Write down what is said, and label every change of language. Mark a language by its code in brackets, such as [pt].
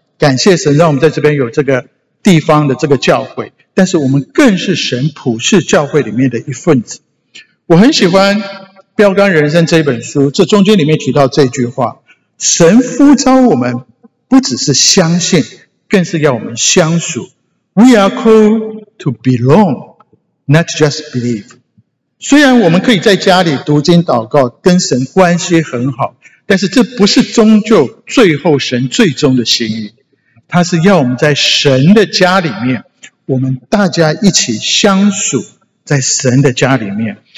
[zh] 感谢神让我们在这边有这个地方的这个教会，但是我们更是神普世教会里面的一份子。我很喜欢《标杆人生》这本书，这中间里面提到这句话，神呼召我们不只是相信，更是要我们相属。 [en] We are called to belong, not just believe。 [zh] 虽然我们可以在家里读经祷告，跟神关系很好，但是这不是终究最后神最终的心意，他是要我们在神的家里面，我们大家一起相属在神的家里面。